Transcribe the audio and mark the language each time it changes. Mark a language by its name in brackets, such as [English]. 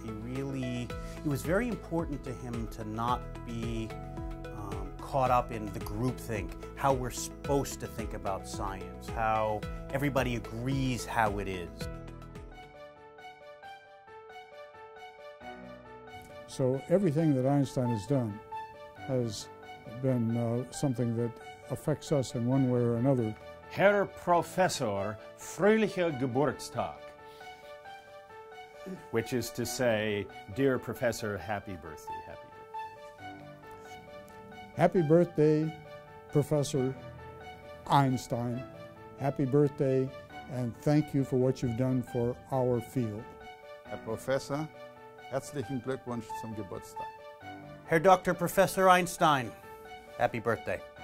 [English] It was very important to him to not be caught up in the groupthink, how we're supposed to think about science, how everybody agrees how it is. So everything that Einstein has done has been something that affects us in one way or another. [German] Herr Professor, fröhlicher Geburtstag. [English] Which is to say, dear Professor, happy birthday, happy birthday. Happy birthday, Professor Einstein. Happy birthday, and thank you for what you've done for our field. [German] Herr Professor, herzlichen Glückwunsch zum Geburtstag. [English] Herr Dr. Professor Einstein, happy birthday.